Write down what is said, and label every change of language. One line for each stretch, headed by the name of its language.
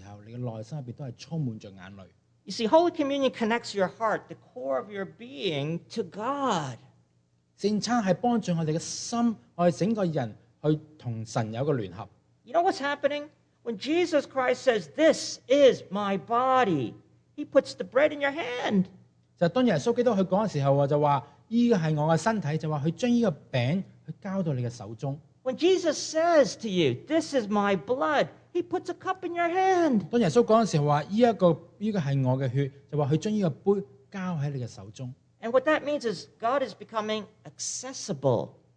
Cantonese: 如果你真系相信主嘅时候，你系基督徒，你当领圣餐嘅时候，你嘅内心入边都系充满着眼泪。
English: You see, Holy Communion connects your heart, the core of your being, to God.
Cantonese: 圣餐系帮助我哋嘅心，我哋整个人去同神有个联合。
English: You know what's happening? When Jesus Christ says, "This is my body," He puts the bread in your hand.
Cantonese: 就当耶稣基督去讲嘅时候，就话：呢个系我嘅身体，就话佢将呢个饼去交到你嘅手中。
English: When Jesus says to you, "This is my blood," He puts a cup in your hand.
Cantonese: 当耶稣讲嘅时候话：呢个系我嘅血，就话佢将呢个杯交喺你嘅手中。
English: And what that means is God is becoming accessible.